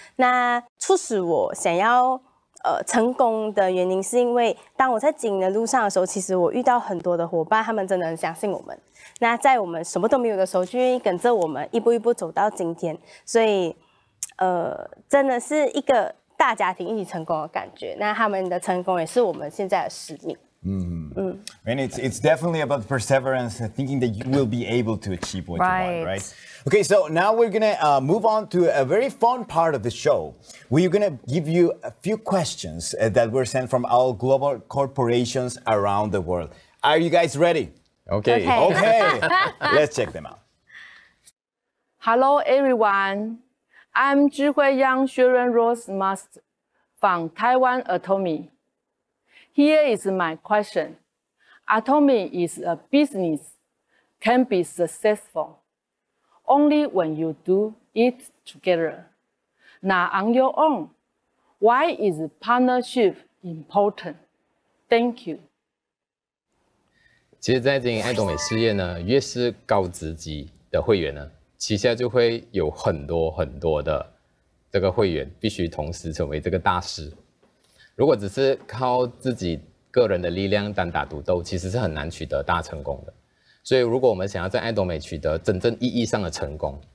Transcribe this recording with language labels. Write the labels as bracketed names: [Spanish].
[Chinese] 那促使我想要成功的原因，是因为当我在经营的路上的时候，其实我遇到很多的伙伴，他们真的很相信我们。那在我们什么都没有的时候，就愿意跟着我们一步一步走到今天。所以真的是一个大家庭一起成功的感觉，那他们的成功也是我们现在的使命。 [English] And it's definitely about perseverance, thinking that you will be able to achieve what you want, right? Okay, so now we're going to move on to a very fun part of the show. We're going to give you a few questions that were sent from all global corporations around the world. Are you guys ready? Okay. Okay. Let's check them out. Hello, everyone. I'm Zhi Hui Yang Sharon Rose Must from Taiwan Atomy. Here is my question. Atomy is a business, can be successful only when you do it together. Now on your own, why is partnership important? Thank you. [Chinese] 其实在经营爱多美事业呢，越是高职级的会员呢，旗下就会有很多很多的这个会员必须同时成为这个大师。如果只是靠自己个人的力量单打独斗，其实是很难取得大成功的。所以如果我们想要在爱多美取得真正意义上的成功，